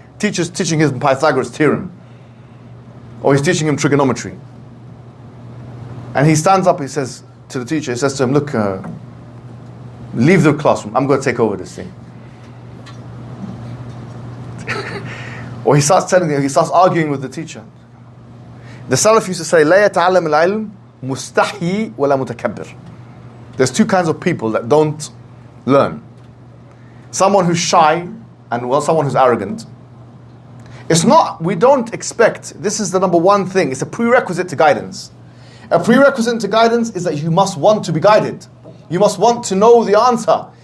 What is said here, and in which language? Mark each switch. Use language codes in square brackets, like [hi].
[en] Teacher's teaching him Pythagoras' theorem. Or he's teaching him trigonometry. And he stands up, he says to the teacher, he says to him, "Look, leave the classroom. I'm going to take over this thing." Or he starts arguing with the teacher. The Salaf used to say, [ar] "لا يتعلم العلم مستحي ولا متكبر." [en] There's two kinds of people that don't learn. Someone who's shy and someone who's arrogant. It's not, we don't expect, this is the number one thing, it's a prerequisite to guidance. A prerequisite to guidance is that you must want to be guided. You must want to know the answer.